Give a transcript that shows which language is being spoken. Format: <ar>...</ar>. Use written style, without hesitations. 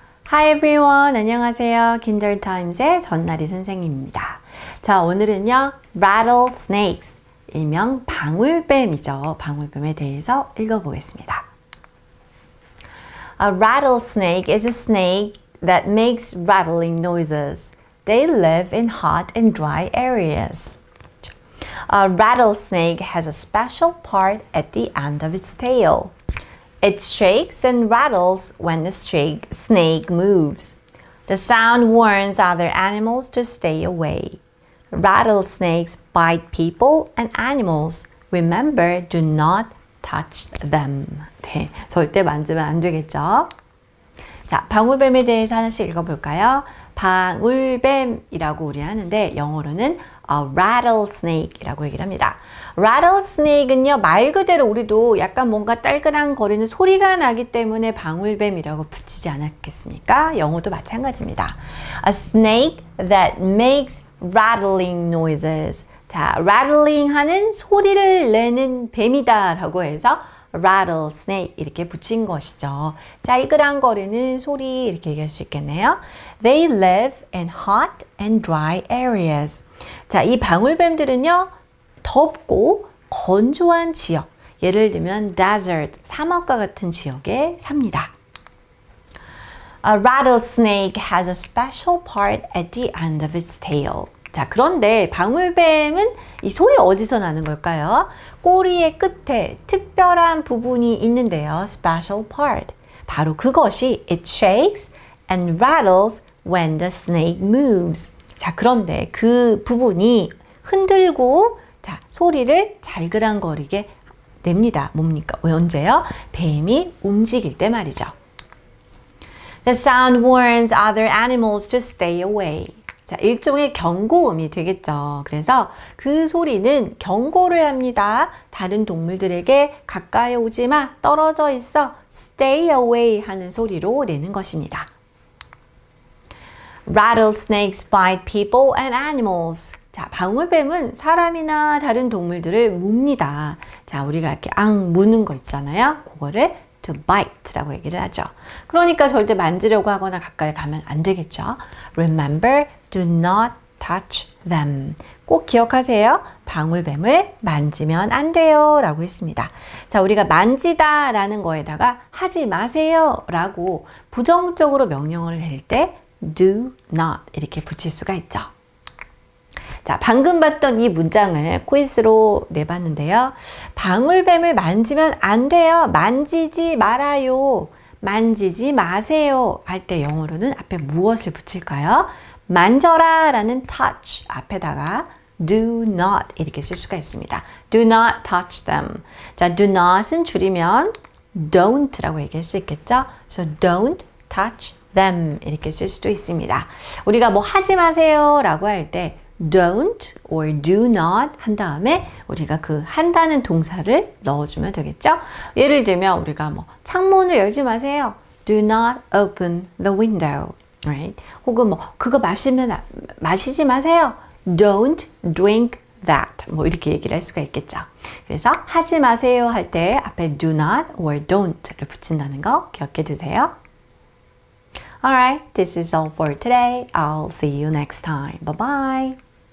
<en>Hi everyone,</en> <ko>안녕하세요. Kindle Times의 전나리 선생님입니다. 자, 오늘은요, Rattlesnakes, 일명 방울뱀이죠. 방울뱀에 대해서 읽어보겠습니다.</ko> <en>A rattlesnake is a snake that makes rattling noises. They live in hot and dry areas. A rattlesnake has a special part at the end of its tail. It shakes and rattles when the snake moves. The sound warns other animals to stay away. Rattlesnakes bite people and animals. Remember, do not touch them.</en> <ko>네, 절대 만지면 안 되겠죠? 자, 방울뱀에 대해서 하나씩 읽어볼까요? 방울뱀이라고 우리 하는데 영어로는 a rattlesnake이라고 얘기를 합니다. rattlesnake은요, 말 그대로 우리도 약간 뭔가 딸그랑 거리는 소리가 나기 때문에 방울뱀이라고 붙이지 않았겠습니까? 영어도 마찬가지입니다.</ko> <en>A snake that makes rattling noises.</en> <ko>자, rattling 하는 소리를 내는 뱀이다라고 해서 rattlesnake 이렇게 붙인 것이죠. 짤그랑거리는 소리 이렇게 얘기할 수 있겠네요.</ko> <en>They live in hot and dry areas.</en> <ko>자, 이 방울뱀들은요, 덥고 건조한 지역, 예를 들면 desert, 사막과 같은 지역에 삽니다.</ko> <en>A rattlesnake has a special part at the end of its tail.</en> <ko>자, 그런데 방울뱀은 이 소리 어디서 나는 걸까요? 꼬리의 끝에 특별한 부분이 있는데요.</ko> <en>Special part.</en> <ko>바로 그것이</ko> <en>it shakes and rattles when the snake moves.</en> <ko>자, 그런데 그 부분이 흔들고 자, 소리를 잘그랑거리게 냅니다. 뭡니까? 왜 언제요? 뱀이 움직일 때 말이죠.</ko> <en>The sound warns other animals to stay away.</en> <ko>자, 일종의 경고음이 되겠죠. 그래서 그 소리는 경고를 합니다. 다른 동물들에게 가까이 오지 마, 떨어져 있어,</ko> <en>stay away</en> <ko>하는 소리로 내는 것입니다.</ko> <en>Rattlesnakes bite people and animals.</en> <ko>자, 방울뱀은 사람이나 다른 동물들을 뭅니다. 자, 우리가 이렇게 앙 무는 거 있잖아요. 그거를 to bite라고 얘기를 하죠. 그러니까 절대 만지려고 하거나 가까이 가면 안 되겠죠.</ko> <en>Remember, do not touch them.</en> <ko>꼭 기억하세요. 방울뱀을 만지면 안 돼요. 라고 했습니다. 자, 우리가 만지다 라는 거에다가 하지 마세요. 라고 부정적으로 명령을 낼때 do not 이렇게 붙일 수가 있죠. 자, 방금 봤던 이 문장을 퀴즈로 내봤는데요. 방울뱀을 만지면 안 돼요. 만지지 말아요. 만지지 마세요. 할때 영어로는 앞에 무엇을 붙일까요? 만져라 라는 touch 앞에다가 do not 이렇게 쓸 수가 있습니다.</ko> <en>Do not touch them.</en> <ko>자, do not은 줄이면 don't라고 얘기할 수 있겠죠?</ko> <en>So don't touch them</en> <ko>이렇게 쓸 수도 있습니다. 우리가 뭐 하지 마세요 라고 할때 Don't or do not 한 다음에 우리가 그 한다는 동사를 넣어주면 되겠죠? 예를 들면 우리가 뭐 창문을 열지 마세요.</ko> <en>Do not open the window, right?</en> <ko>혹은 뭐 그거 마시지 마세요.</ko> <en>Don't drink that.</en> <ko>뭐 이렇게 얘기를 할 수가 있겠죠. 그래서 하지 마세요 할때 앞에 do not or don't를 붙인다는 거 기억해 두세요.</ko> <en>Alright, this is all for today. I'll see you next time. Bye bye.</en>